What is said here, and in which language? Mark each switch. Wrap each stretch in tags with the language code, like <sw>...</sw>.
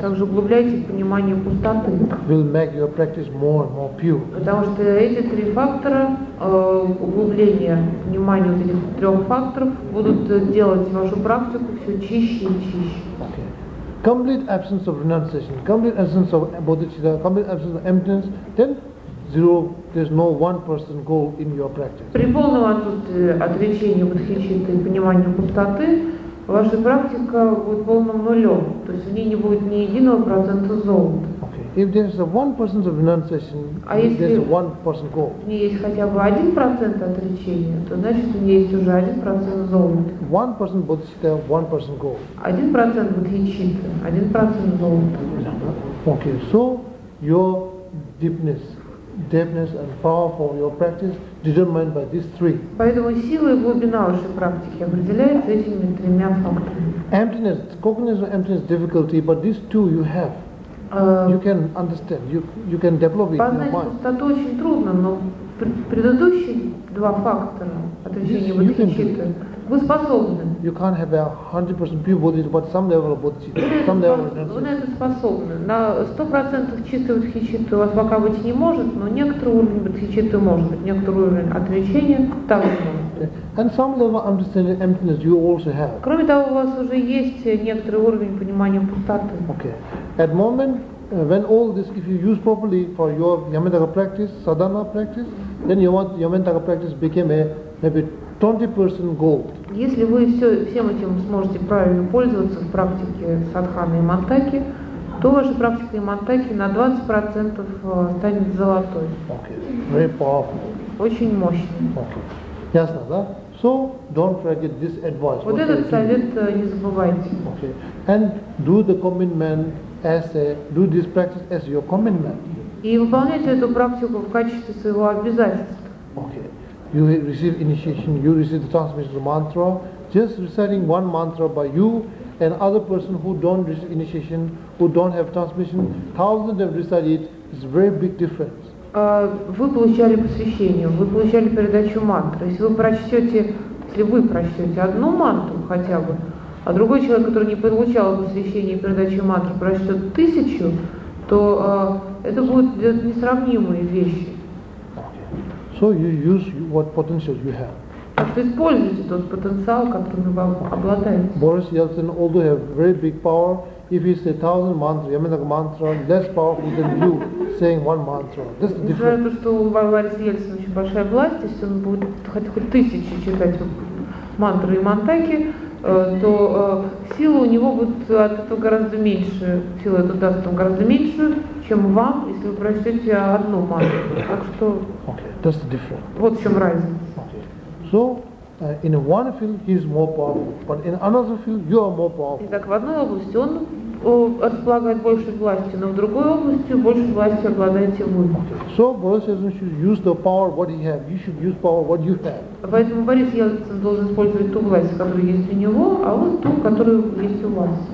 <ru>Также углубляйте понимание пустоты.</ru> <en>Will make your practice more and more pure.</en> <ru>Потому что эти три фактора, углубление понимания вот этих трех факторов, будут делать вашу практику все чище и чище.</ru> <en>Okay. Complete absence of renunciation, complete absence of bodhicitta, complete absence of emptiness, then zero, there's no 1% goal in your practice.</en> <ru>При полном отречении бодхичитты и понимании пустоты, ваша практика будет полным нулем, то есть в ней не будет ни единого процента золота.</ru> <en>Okay. If there's a 1% of renunciation, there's a 1% goal.</en> <ru>А если есть хотя бы 1% отречения, то значит у нее есть уже 1% золота. 1% бодхичитта, 1% goal. 1% бодхичитты, 1% золота.</ru> <en>Okay, so your deepness and power for your practice determined by these three.</en> <ru>Поэтому сила и глубина вашей практики определяется этими тремя факторами.</ru> <en>Emptiness, cognizance of emptiness difficulty, but these two you have. You can understand, you can develop it in your mind.</en> <ru>Познать пустоту очень трудно, но предыдущие два фактора отречения бодхичитты вы способны.</ru> <en>You can't have a 100% pure bodhicitta, but some level of bodhicitta, some level of renunciation.</en> <ru>Вы на это способны. На 100% чистой бодхичитты у вас пока быть не может, но некоторый уровень бодхичитты может быть, некоторый уровень отречения также может быть.</ru> <en>And some level of understanding emptiness you also have.</en> <ru>Кроме того, у вас уже есть некоторый уровень понимания пустоты.</ru> <en>Okay. At moment, when all this, if you use properly for your Yamantaka practice, sadhana practice, then Yamantaka practice became maybe 20% gold.</en> <ru>Если вы всем этим сможете правильно пользоваться в практике садханы и мантаки, то ваша практика и мантаки на 20% станет золотой.</ru> <en>Okay. Very powerful.</en> <ru>Очень мощный.</ru> <en>Okay.</en> <ru>Ясно, да?</ru> <en>So don't forget this advice.</en> <ru>Вот этот совет не забывайте.</ru> <en>Okay. And do the commitment. Do this practice as your commitment.</en> <ru>И выполняйте эту практику в качестве своего обязательства.</ru> <en>Okay. you receive initiation, you receive the transmission of the mantra, just reciting one mantra by you and other person who don't receive initiation, who don't have transmission, thousands have recited it, it's a very big difference.</en> <ru>Вы получали посвящение, вы получали передачу мантры. Если вы прочтете, если вы прочтете одну мантру хотя бы, а другой человек, который не получал посвящение и передачу мантры, прочтет тысячу, то это будут несравнимые вещи.</ru> <en>So you use what potential you have.</en> <ru>Так что используйте тот потенциал, которым вы обладаете.</ru> <en>Boris Yeltsin, although have very big power, if he say 1000 mantras, Yamanaka mantra, less powerful than you saying one mantra. That's the difference.</en> <ru>Несмотря на то, что у Бориса Ельцина очень большая власть, если он будет хоть тысячи читать мантры и мантаки, то сила у него будет от этого гораздо меньше, сила это даст вам гораздо меньше, чем вам, если вы прочтете одну мантру. Так что</ru> <en>okay, that's the difference.</en> <ru>Вот в чем разница.</ru> <en>So, in one field he is more powerful, but in another field you are more powerful.</en> <ru>Итак, в одной области он располагает большей властью, но в другой области больше власти обладаете вы.</ru> <en>So, Boris Yeltsin should use the power what he has. You should use power what you have.</en> <ru>Поэтому Борис Ельцин должен использовать ту власть, которая есть у него, а вот ту, которая есть у вас.</ru>